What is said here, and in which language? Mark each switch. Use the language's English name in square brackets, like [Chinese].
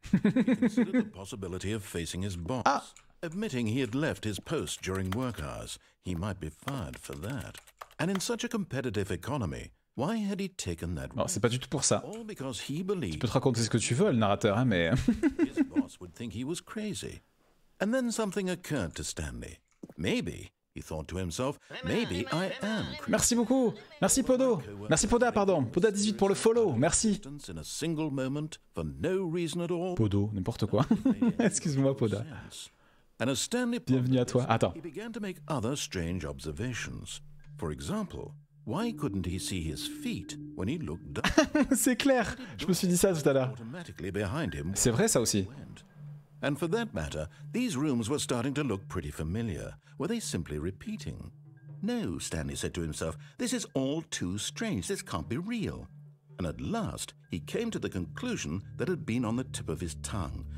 [English] He considered the possibility of facing his boss. Ah. Admitting he had left his post during work hours, he might be fired for that. And in such a competitive economy, why had he taken that risk? [French] Oh, c'est pas du tout pour ça. [English] All because he believed... [French] Tu peux te raconter ce que tu veux, le narrateur, hein, mais... [English] His boss would think he was crazy. And then something occurred to Stanley. Maybe, he thought to himself, maybe I am crazy. [French] Merci beaucoup. Merci Podo. Merci Poda, pardon. Poda 18 pour le follow. Merci. [English] In a single moment, for no reason at all. [French] Podo, n'importe quoi. Excuse-moi, Poda. [English] And as Stanley [French] bienvenue à toi. Attends. [English] He began to make other strange observations. For example, why couldn't he see his feet when he looked down? [French] C'est clair. Je me suis dit ça tout à l'heure. C'est vrai ça aussi. [English] And for that matter, these rooms were starting to look pretty familiar. Were they simply repeating? No, Stanley said to himself, this is all too strange. This can't be real. And at last, he came to the conclusion that had been on the tip of his tongue.